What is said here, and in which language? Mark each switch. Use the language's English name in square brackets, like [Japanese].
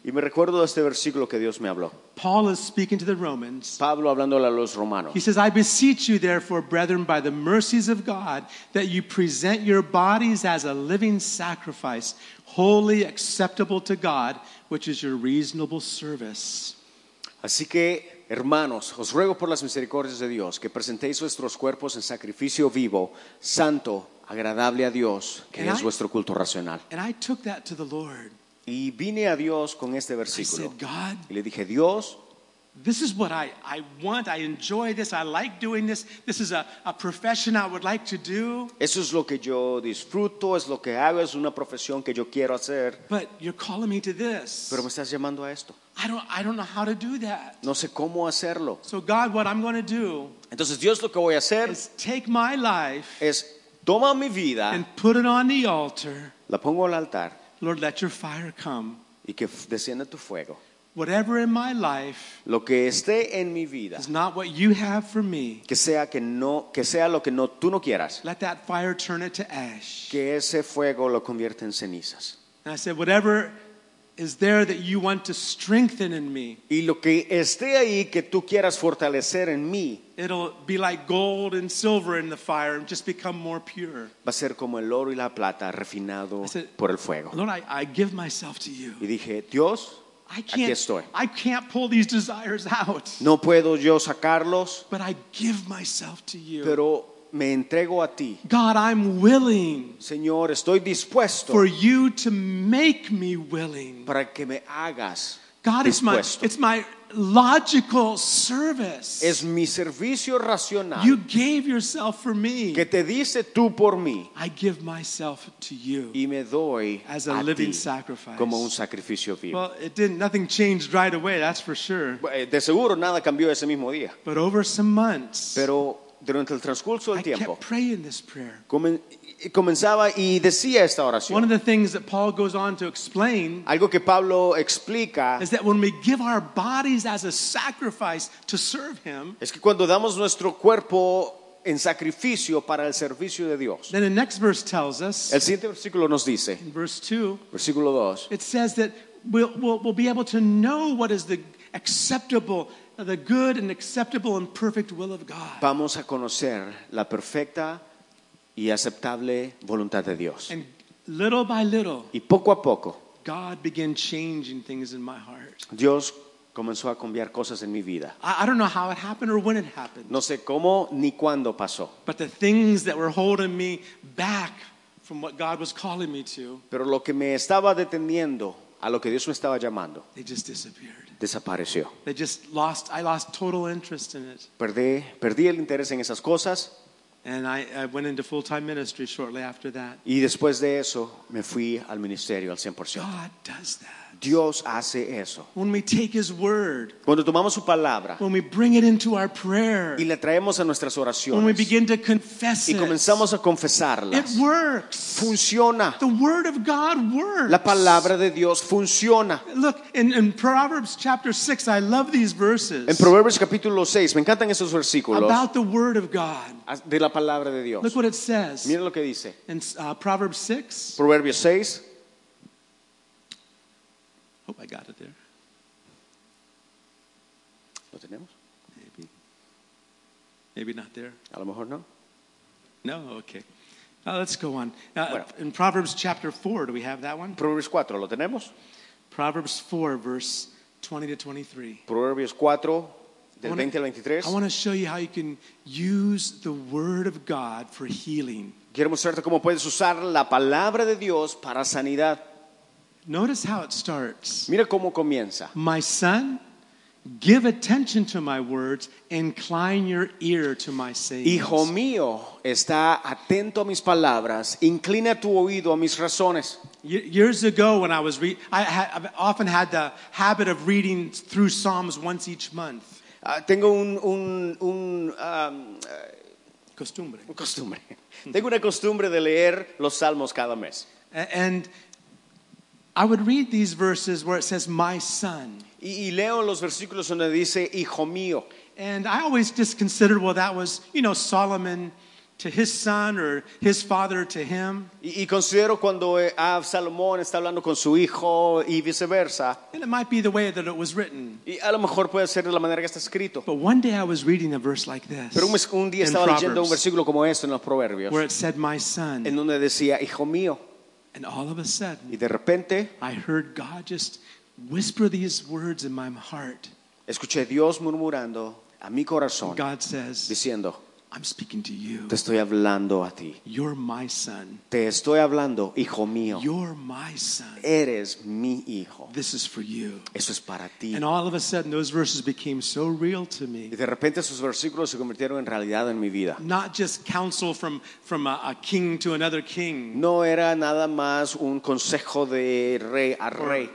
[Spanish] Y me recuerdo este versículo que Dios me habló. [English] Paul is speaking to the Romans. [Spanish] Pablo hablándole a los romanos. [English] He says, I beseech you therefore, brethren, by the mercies of God, that you present your bodies as a living sacrifice, holy, acceptable to God, which is your reasonable service. [Spanish] Así que, hermanos, os ruego por las misericordias de Dios, que presentéis vuestros cuerpos en sacrificio vivo, santo, agradable a Dios, que [English] and [Spanish] es vuestro culto racional. [English] I took that to the Lord. [Spanish] Y vine a Dios con este versículo. [English] I said, God, [Spanish] y le dije, Dios, [English] this is what I want. I enjoy this. I like doing this. This is a profession I would like to do. [Spanish] Eso es lo que yo disfruto, es lo que hago, es una profesión que yo quiero hacer. [English] But you're calling me to this. [Spanish] Pero me estás llamando a esto. [English] I don't know how to do that. [Spanish] No sé cómo hacerlo. [English] So God, what I'm going to do, [Spanish] entonces Dios, lo que voy a hacer, [English] is take my life, [Spanish] es toma mi vida, [English] and put it on the altar. [Spanish] La pongo al altar. [English] Lord, let your fire come. [Spanish] Y que descienda tu fuego. [English] Whatever in my life, [Spanish] lo que esté en mi vida, [English] is not what you have for me. [Spanish] Que sea lo que no tú no quieras. [English] Let that fire turn it to ash. [Spanish] Que ese fuego lo convierta en cenizas. [English] And I said, whatever is there that you want to strengthen in me? [Spanish] Y lo que esté ahí que tú quieras fortalecer en mí. [English] It'll be like gold and silver in the fire and just become more pure. [Spanish] Va a ser como el oro y la plata refinado por el fuego. [English] Lord, I give myself to you. [Spanish] Y dije, Dios, aquí estoy. [English] I can't pull these desires out. [Spanish] No puedo yo sacarlos. [English] But I give myself to you. [Spanish] Pero me entrego a ti. [English] God, I'm willing. [Spanish] Señor, estoy dispuesto. [English] For you to make me willing. [Spanish] Para que me hagas [English] God, [Spanish] dispuesto. [English] It's my logical service. [Spanish] Es mi servicio racional. [English] You gave yourself for me. [Spanish] Que te diste tú por mí. [English] I give myself to you. [Spanish] Y me doy [English] as a living sacrifice. [Spanish] Como un sacrificio vivo. [English] Well, nothing changed right away, that's for sure. [Spanish] De seguro nada cambió ese mismo día. [English] But over some months. [Spanish] Pero durante el transcurso del tiempo, [English] kept praying this prayer. [Spanish] Comenzaba y decía esta oración. [English] One of the things that Paul goes on to explain, [Spanish] algo que Pablo explica, [English] is that when we give our bodies as a sacrifice to serve him, [Spanish] es que cuando damos nuestro cuerpo en sacrificio para el servicio de Dios. [English] Then the next verse tells us, [Spanish] el siguiente versículo nos dice, [English] in verse 2, [Spanish] versículo 2, [English] it says that we'll be able to know what is the acceptable, the good and acceptable and perfect will of God. [Spanish] Vamos a conocer la perfecta y aceptable voluntad de Dios. [English] And little by little, [Spanish] y poco a poco, [English] God began changing things in my heart. [Spanish] Dios comenzó a cambiar cosas en mi vida. [English] I don't know how it happened or when it happened. [Spanish] No sé cómo ni cuándo pasó. [English] But the things that were holding me back from what God was calling me to, [Spanish] pero lo que me estaba deteniendo a lo que Dios me estaba llamando, [English] they just disappeared. [Spanish] Desapareció. [English] They just lost, I lost total interest in it. [Spanish] Perdí el interés en esas cosas. [English] And I went into full-time ministry shortly after that. [Spanish] Y después de eso, me fui al ministerio al 100%. [English] God does that. [Spanish] Dios hace eso. [English] When we take his word, [Spanish] cuando tomamos su palabra, [English] when we bring it into our prayer, [Spanish] y la traemos a nuestras oraciones, [English] when we begin to confess [Spanish] y comenzamos a confesarlas, [English] it works. [Spanish] Funciona. [English] The word of God works. [Spanish] La palabra de Dios funciona. [English] Look, in Proverbs chapter 6, I love these verses. [Spanish] En Proverbios capítulo 6, me encantan esos versículos. [English] About the word of God. [Spanish] De la palabra de Dios. [English] Look what it says. [Spanish] Miren lo que dice. [English] In Proverbs 6. [Spanish] Proverbios 6. [English] Hope I got it there. [Spanish] ¿Lo tenemos? [English] Maybe. Maybe not there. [Spanish] A lo mejor no. [English] No, okay. Now let's go on. Now, bueno. In Proverbs chapter 4, do we have that one? [Spanish] Proverbios 4, ¿lo tenemos? [English] Proverbs 4, verse 20 to 23. [Spanish] Proverbios 4, del 20 al 23. [English] I want to show you how you can use the word of God for healing. [Spanish] Quiero mostrarte cómo puedes usar la palabra de Dios para sanidad. [English] Notice how it starts. [Spanish] Mira cómo comienza. [English] My son, give attention to my words, incline your ear to my sayings. [Spanish] Hijo mío, está atento a mis palabras, inclina tu oído a mis razones. [English] Years ago when I was I often had the habit of reading through Psalms once each month. [Spanish] Tengo una costumbre. Tengo una costumbre de leer los Salmos cada mes. [English] And I would read these verses where it says, my son. [Spanish] Y leo los versículos donde dice, hijo mío. [English] And I always just considered, well, that was, you know, Solomon to his son or his father to him. [Spanish] Y considero cuando Salomón está hablando con su hijo y viceversa. [English] And it might be the way that it was written. [Spanish] Y a lo mejor puede ser de la manera que está escrito. [English] But one day I was reading a verse like this. [Spanish] Pero un día estaba leyendo un versículo como este en los Proverbios. [English] Where it said, my son. [Spanish] En donde decía, hijo mío. [English] And all of a sudden, [Spanish] y de repente, [English] I heard God just whisper these words in my heart. [Spanish] Escuché Dios murmurando a mi corazón. [English] God says, [Spanish] diciendo, [English] I'm speaking to you. [Spanish] Te estoy hablando a ti. [English] You're my son. [Spanish] Te estoy hablando, hijo mío. [English] You're my son. [Spanish] Eres mi hijo. [English] This is for you. [Spanish] Eso es para ti. [English] And all of a sudden, those verses became so real to me. [Spanish] Y de repente, esos versículos se convirtieron en realidad en mi vida. [English] Not just counsel from a king to another king. [Spanish] No era nada más un consejo de rey a rey.